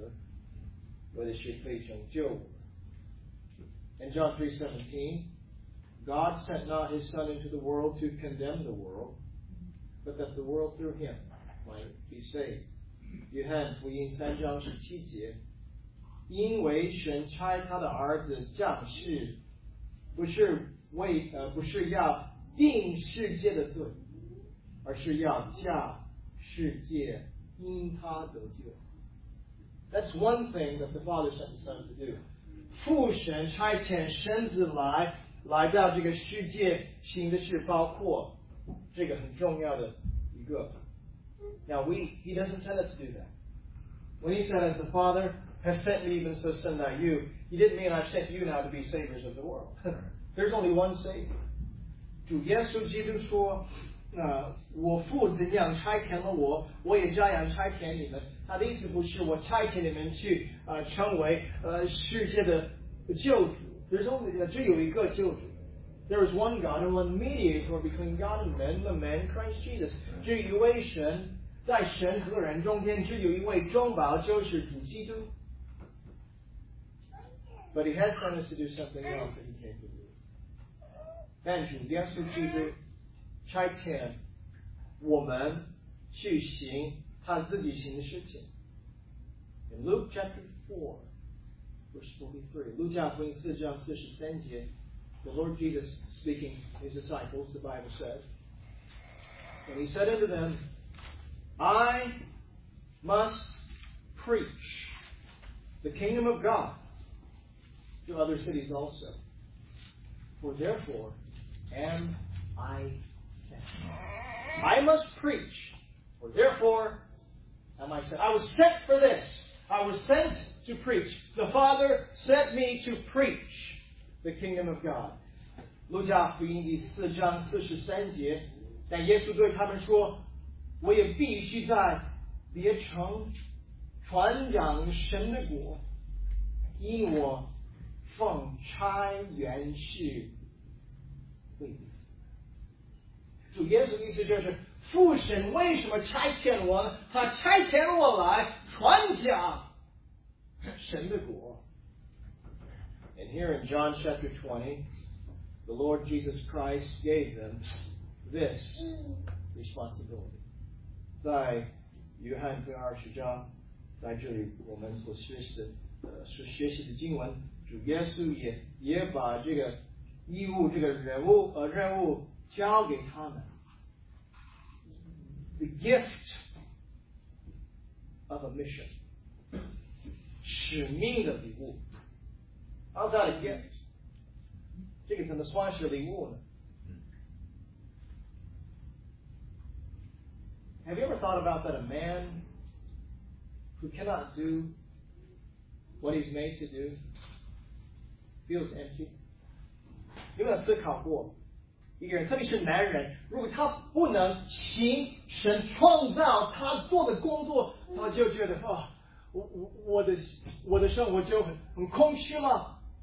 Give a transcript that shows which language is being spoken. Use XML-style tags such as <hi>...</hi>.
<zh>感谢神，主耶稣基督实在来到这个世界，在十字架上死，为的是被拯救我们。</zh> <en>And John 3:17, God sent not his Son into the world to condemn the world, but that the world through him might be saved.</en> <zh>约翰福音3:17，因为神差他的儿子降世，不是要定世界的罪，而是要叫世界因他得救。</zh> <en>That's one thing that the Father sent the Son to do.</en> <zh>父神差遣神子来到这个世界，行的是包括这个很重要的一个。</zh> <en>Now he doesn't send us to do that. When he said, as the Father has sent me, even so send I you, he didn't mean I've sent you now to be saviors of the world. There's only one Savior.</en> <zh>主耶稣基督说, 我父怎样差遣了我，我也照样差遣你们。他的意思不是我差遣你们去成为世界的救主。</zh> <en>There's only</en> <zh>只有一个救主。</zh> <en>There is one God and one mediator between God and men, the man Christ Jesus.</en> <zh>只有一位神，在神和人中间只有一位中保，就是主基督。</zh> <en>But he has promised to do something else that he came to do.</en> <zh>但主耶稣基督差遣我们去行他自己行的事情。</zh> <en>In Luke chapter 4, verse 43,</en> <zh>路加福音四章四十三节</zh> <en>the Lord Jesus speaking to his disciples, the Bible says, and he said unto them, I must preach the kingdom of God. To other cities also. For therefore am I sent. I must preach. For therefore am I sent. I was sent for this. I was sent to preach. The Father sent me to preach the kingdom of God.</en> <zh>路加福音第四章四十三节，但耶稣对他们说，我也必须在别城传讲神的国，因我奉差原是为此。主耶稣的意思就是，父神为什么差遣我呢？他差遣我来传讲神的国。</zh> <en>And here in John chapter 20, the Lord Jesus Christ gave them this responsibility.</en> <zh>在约翰第二十章，在这里我们所学习的经文。主耶稣 也把这个义务这个任务交给他们。</zh> <en>The gift of a mission.</en> <zh>使命的礼物。</zh> <en>How's that a gift?</en> <zh>这个怎么算是礼物呢？</zh> <en>Have you ever thought about that a man who cannot do what he's made to do? feels empty.</en> <zh>有没有思考过一个人，特别是男人，如果他不能行神创造他做的工作，他就觉得，哦，我的生活就很空虚吗？</zh>